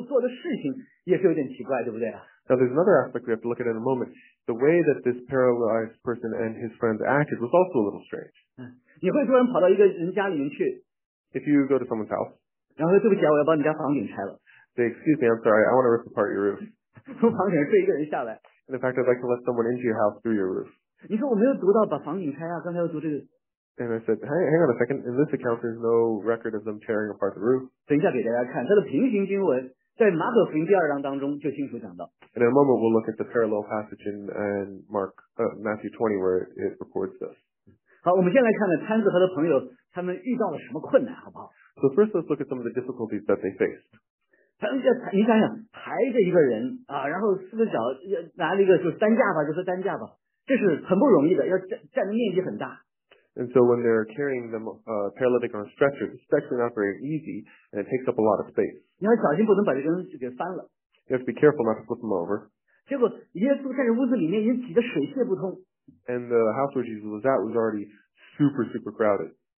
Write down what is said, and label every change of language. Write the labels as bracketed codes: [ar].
[zh] 那么还有一个方面，我们等一下也要看这一群人瘫子和他朋友所做的事情，也是有点奇怪，对不对？ [en] Now there's another aspect we have to look at in a moment. The way that this paralyzed person and his friends acted was also a little strange. [zh] 你会突然跑到一个人家里面去。 [en] If you go to someone's house. [zh] 然后说对不起啊，我要把你家房顶拆了。 [en] They excuse me, I'm sorry, I want to rip apart your roof. [zh] 从房顶上坠一个人下来。 [en] And in fact, I'd like to let someone into your house through your roof. [zh] 你说我没有读到把房顶拆啊，刚才要读这个。 [en] And I said, hang on a second, in this account there's no record of them tearing apart the roof. [zh] 等一下给大家看, 它的平行经文, 在马可福音第二章当中就清楚讲到, [en] and in a moment we'll look at the parallel passage in Mark, Matthew 20 where it records this. [zh] 好, 我们先来看看, 摊子和他朋友, 他们遇到了什么困难, 好不好? [en] So first let's look at some of the difficulties that they faced. [zh] 你想想, 抬着一个人, 啊, 然后四个脚, 拿了一个就是担架吧, 就是担架吧, 这是很不容易的, 要占的面积很大。 [en] And so when they're carrying the paralytic on a stretcher, the stretcher is not very easy, and it takes up a lot of space. You have to be careful not to flip them over. And the house where Jesus was at was already super, super crowded.